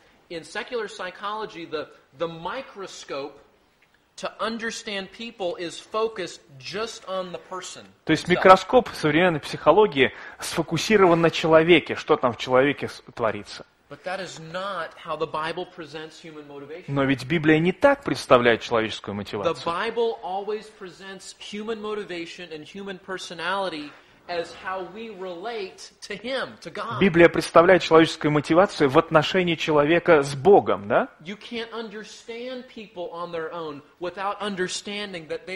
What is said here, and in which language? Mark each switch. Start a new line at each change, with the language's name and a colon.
English: In secular psychology, the microscope to understand people is focused just on the person.
Russian: То есть микроскоп в современной психологии сфокусирован на человеке, что там в человеке творится.
English: But that is not how the Bible presents human motivation.
Russian: Но ведь Библия не так представляет человеческую мотивацию.
English: The Bible always presents human motivation and human personality as how we relate to him, to God.
Russian: Библия представляет человеческую мотивацию в отношении человека с Богом, да?
English: You can't understand people on their own without understanding that they